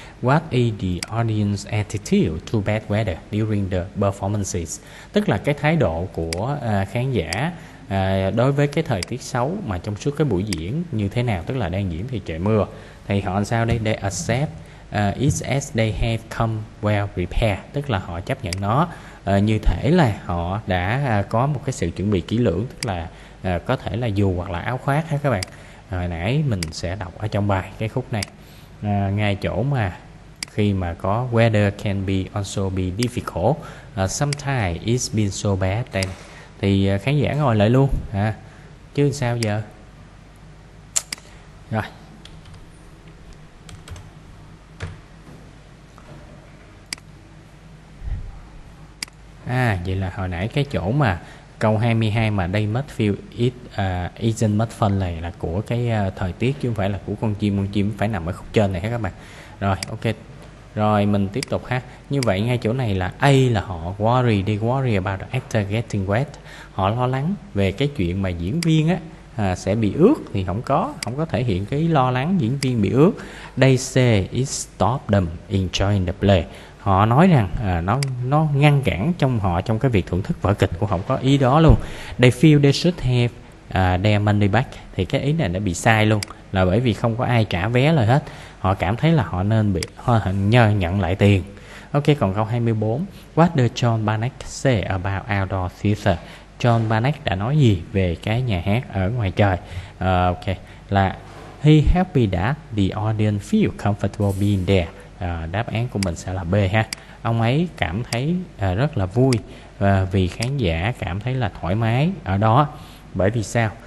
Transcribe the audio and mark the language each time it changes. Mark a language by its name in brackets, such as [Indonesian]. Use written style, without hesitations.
[English] What is the audience attitude to bad weather during the performances? [Vietnamese] Tức là cái thái độ của khán giả đối với cái thời tiết xấu mà trong suốt cái buổi diễn như thế nào? Tức là đang diễn thì trời mưa. Thì họ làm sao đây? [English] They accept it as they have come well prepared. [Vietnamese] Tức là họ chấp nhận nó như thể là họ đã có một cái sự chuẩn bị kỹ lưỡng. Tức là có thể là dù hoặc là áo khoác ha các bạn. Hồi nãy mình sẽ đọc ở trong bài cái khúc này. Ngay chỗ mà khi mà có [English] weather can be also be difficult, sometimes it's been so bad then. [Vietnamese] Thì khán giả ngồi lại luôn ha. Chứ sao giờ? Rồi. Vậy là hồi nãy cái chỗ mà câu 22 mà [English] they must feel it isn't much fun [Vietnamese] này là của cái thời tiết chứ không phải là của con chim. Con chim phải nằm ở khúc trên này hết các bạn. Rồi ok. Rồi mình tiếp tục ha. Như vậy ngay chỗ này là A là họ worry, [English] they worry about the actor getting wet. [Vietnamese] Họ lo lắng về cái chuyện mà diễn viên á sẽ bị ướt, thì không có. Không có thể hiện cái lo lắng diễn viên bị ướt. [English] They say it stop them enjoying the play. [Vietnamese] Họ nói rằng nó ngăn cản trong họ trong cái việc thưởng thức vở kịch, cũng không có ý đó luôn. [English] They feel they should have their money back. [Vietnamese] Thì cái ý này nó bị sai luôn, là bởi vì không có ai trả vé lại hết. Họ cảm thấy là họ nên bị nhận lại tiền. Ok, còn câu 24. [English] What does John Barnett say about outdoor theater? [Vietnamese] John Barnett đã nói gì về cái nhà hát ở ngoài trời? Ok, là [English] he happy that the audience feel comfortable being there. [Vietnamese] Đáp án của mình sẽ là B ha. ông ấy cảm thấy rất là vui vì khán giả cảm thấy là thoải mái ở đó. Bởi vì sao?